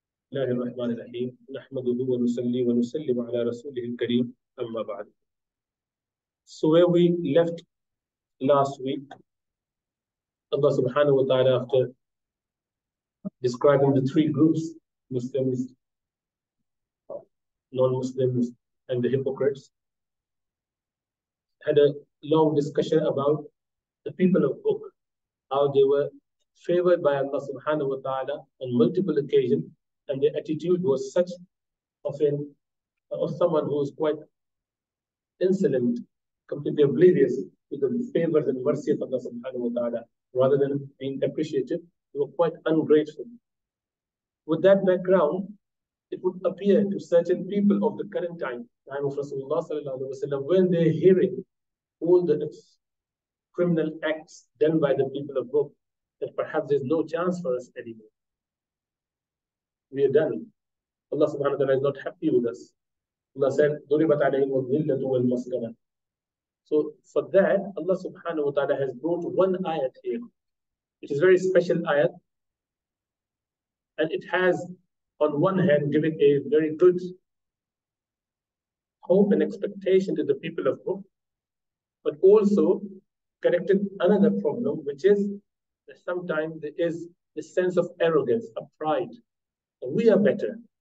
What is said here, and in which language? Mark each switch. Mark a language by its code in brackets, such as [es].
[ar] بسم الله الرحمن الرحيم، نحمده ونصلي ونسلم على رسوله الكريم، أما بعد. [en] So where we left last week, Allah subhanahu wa ta'ala, after describing the three groups, Muslims, non-Muslims, and the hypocrites, had a long discussion about the people of book, how they were favored by Allah subhanahu wa ta'ala on multiple occasions, and their attitude was such of someone who is quite insolent, completely oblivious to the favors and mercy of Allah subhanahu wa ta'ala, rather than being appreciative, they were quite ungrateful. With that background, it would appear to certain people of the current time of Rasulullah sallallahu alaihi wasallam, when they're hearing all the criminal acts done by the people of book, that perhaps there's no chance for us anymore. We are done. Allah subhanahu wa ta'ala is not happy with us. Allah said, [ar] ضُرِبَتْ عَلَيْهِمُ الذِّلَّةُ وَالْمَسْكَنَةُ. [en] So for that, Allah subhanahu wa ta'ala has brought one ayat here, which is a very special ayat. And it has, on one hand, given a very good hope and expectation to the people of book, but also corrected another problem, which is that sometimes there is a sense of arrogance, a pride. We are better.